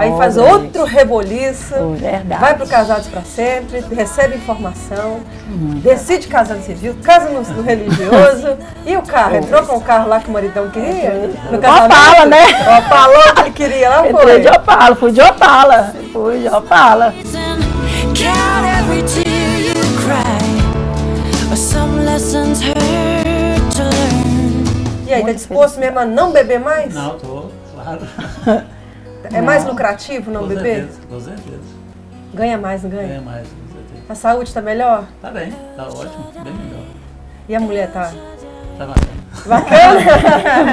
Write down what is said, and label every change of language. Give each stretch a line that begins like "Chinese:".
Portuguese: aí faz outro reboliço, verdade. Vai pro casados para sempre, recebe informação, decide casar no civil, casa no religioso, e o carro, entrou com o carro lá que o maridão queria? No casamento. Opala, né? Opalou que ele queria, lá foi. Entrei de Opala, fui de Opala, fui de Opala.
English: Count every tear you cry, or some lessons hurt to learn.
Portuguese: E aí, tá disposto mesmo a não beber mais? Não, tô, claro. É mais lucrativo não beber? Com certeza. Ganha mais, não ganha? Ganha mais, com certeza. A saúde tá melhor? Tá bem, tá ótimo, bem melhor. E a mulher tá? Tá bacana. Bacana?